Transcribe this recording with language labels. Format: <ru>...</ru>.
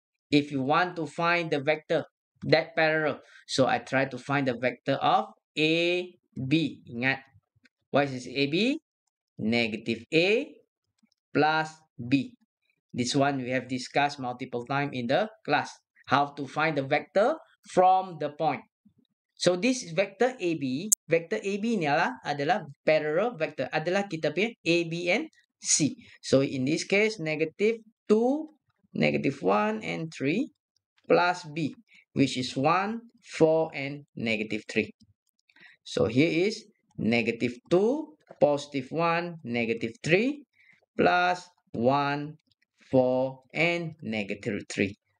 <en>If you want to find the vector, that parallel. So, I try to find the vector of A, B. Ingat. What is A, B? Negative A plus B. This one we have discussed multiple times in the class. How to find the vector from the point. So, this vector AB.</en> <ms>Vector AB ni adalah parallel vector. Adalah kita punya A, B and C.</ms> <en>So, in this case, negative 2, negative 1 and 3 plus B, which is 1, 4 and negative 3. So, here is negative 2, positive 1, negative 3 plus 1, 4 and negative 3.</en>